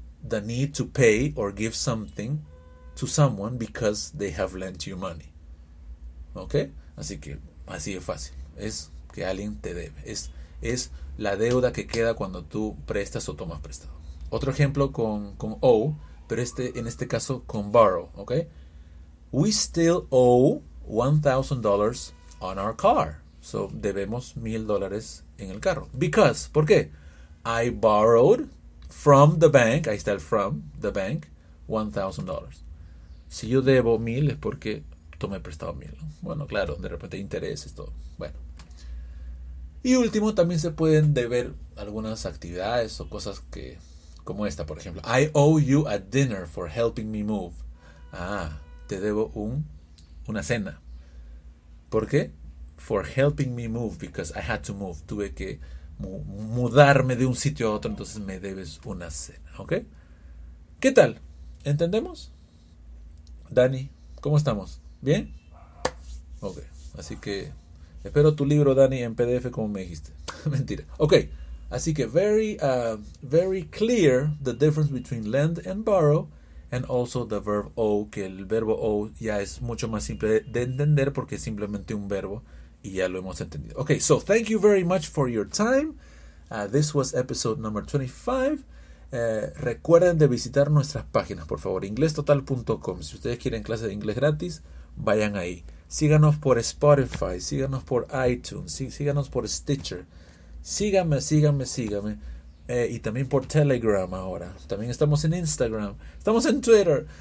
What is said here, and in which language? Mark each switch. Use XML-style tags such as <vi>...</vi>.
<en>The need to pay or give something to someone because they have lent you money.</en> <es>¿Ok? Así que, así de fácil. Es que alguien te debe. Es la deuda que queda cuando tú prestas o tomas prestado. Otro ejemplo con owe, pero en este caso con borrow.</es> <en>¿Ok? We still owe $1,000 on our car.</en> <es>So, debemos $1,000 en el carro. Because, ¿por qué?</es> <en>I borrowed from the bank,</en> <es>ahí está el</es> <en>from the bank, $1,000.</en> <es>Si yo debo $1,000 es porque tomé prestado $1,000. Bueno, claro, de repente intereses, todo. Bueno. Y último, también se pueden deber algunas actividades o cosas que, como esta, por ejemplo.</es> <en>I owe you a dinner for helping me move.</en> <es>Ah, te debo una cena. ¿Por qué?</es> <en>For helping me move, because I had to move.</en> <es>Tuve que mudarme de un sitio a otro, entonces me debes una cena, ¿ok? ¿Qué tal? ¿Entendemos? Dani, ¿cómo estamos? ¿Bien? Ok, así que espero tu libro, Dani, en PDF como me dijiste. Mentira.</es> <en>Ok,</en> <es>así que</es> <en>very, very clear the difference between lend and borrow. And also the verb owe,</en> <es>que el verbo owe ya es mucho más simple de entender porque es simplemente un verbo y ya lo hemos entendido.</es> <en>Okay, so thank you very much for your time. This was episode number 25.</en> <es>Recuerden de visitar nuestras páginas, por favor, inglestotal.com. Si ustedes quieren clases de inglés gratis, vayan ahí. Síganos por Spotify, síganos por iTunes, síganos por Stitcher. Síganme. Y también por Telegram ahora. También estamos en Instagram. Estamos en Twitter.</es>